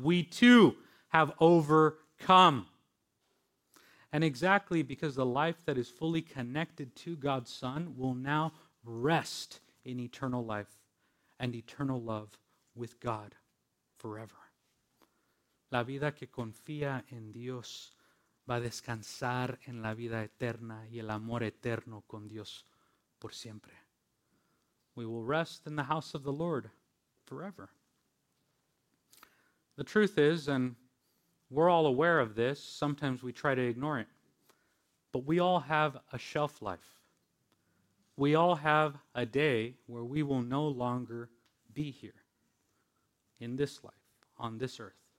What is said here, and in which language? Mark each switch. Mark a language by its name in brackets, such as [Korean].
[English] We too have overcome. Come. And exactly because the life that is fully connected to God's Son will now rest in eternal life and eternal love with God forever. [Spanish] La vida que confía en Dios va a descansar en la vida eterna y el amor eterno con Dios por siempre. [English] we will rest in the house of the Lord forever. The truth is, and we're all aware of this, sometimes we try to ignore it, but we all have a shelf life. We all have a day where we will no longer be here in this life, on this earth.